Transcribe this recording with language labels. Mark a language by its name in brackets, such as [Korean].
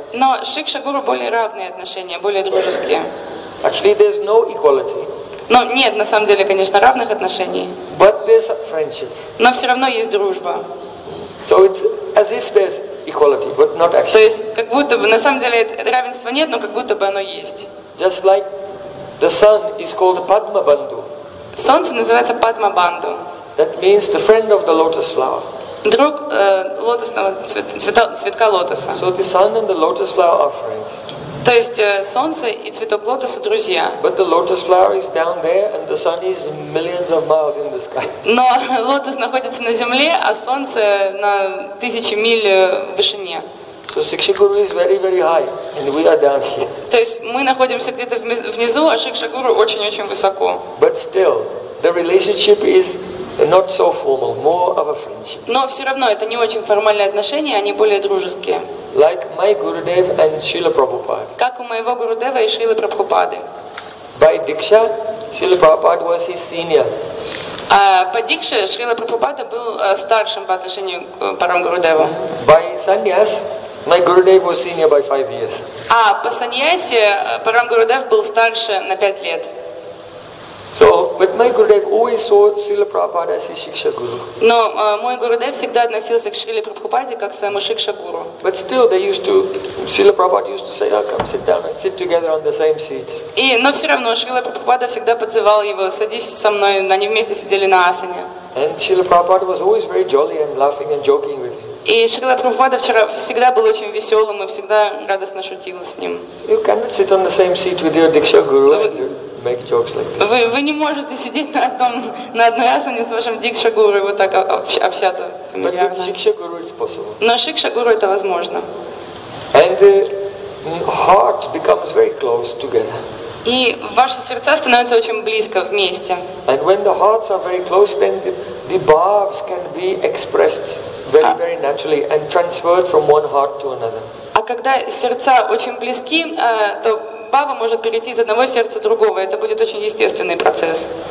[Russian] Но Шикша Гуру более равные отношения, более дружеские. [English] Actually, there's no equality. [Russian] Но нет, на самом деле, конечно, равных отношений. [English] But there's friendship. [Russian] Но все равно есть дружба. [English] So it's as if there's equality, but not actually. [Russian] То есть как будто бы, на самом деле, равенства нет, но как будто бы оно есть. [English] Just like the sun is called Padma Bandhu. [Russian] Солнце называется Padma Bandhu. [English] That means the friend of the lotus flower. [Russian] Друг лотосного цветка лотоса. [English] So the sun and the lotus flower are friends. [Russian] То есть солнце и цветок лотоса друзья. [English] But the lotus flower is down there and the sun is millions of miles in the sky. [Russian] Но лотос находится на земле, а солнце на тысячи миль в вышине. [English] So Shiksha Guru is very very high and we are down here. [Russian] То есть мы находимся где-то внизу, а Шикша Гуру очень-очень высоко. [English] But still, the relationship is not so formal, more of a friendship. [Russian] Но все равно это не очень формальные отношения, они более дружеские. [English] Like my Gurudev and Srila Prabhupada. [Russian] Как у моего Гурудева и Шрилы Прабхупады. [English] By Diksha, Srila Prabhupada was his senior. [Russian] По Дикше Шрила Прабхупада был старшим по отношению к Парамгурудеву. [English] By Sannyas, my Gurudev was senior by 5 years. [Russian] По Саньясе Парамгурудев был старше на 5 лет. [English] So, but my Gurudev always saw Srila Prabhupada as his Shiksha Guru. [Russian] Но мой Гурудев всегда относился к Шриле Прабхупаде как к своему Шикша Гуру. [English] But still, they used to. Srila Prabhupada used to say, "Oh, come sit down and sit together on the same seat." [Russian] И но все равно Шрила Прабхупада всегда подзывал его, садись со мной, они вместе сидели на асане. [English] And Srila Prabhupada was always very jolly and laughing and joking with him. [Russian] И Шрила Прабхупада вчера всегда был очень веселым и всегда радостно шутил с ним. [English] You cannot sit on the same seat with your Diksha Guru. Make jokes like this. [Russian] Вы не можете сидеть на одной асане с вашим Дикша Гуру и вот так общаться фамильярно. [English] But Shiksha Guru is possible. [Russian] Но Шикша Гуру это возможно. [English] And the heart becomes very close together. [Russian] И ваши сердца становятся очень близко вместе. [English] And when the hearts are very close, then the bhavs can be expressed very, very naturally and transferred from one heart to another. [Russian] А когда сердца очень близки, то бхава может перейти из одного сердца в другое. Это будет очень естественный процесс.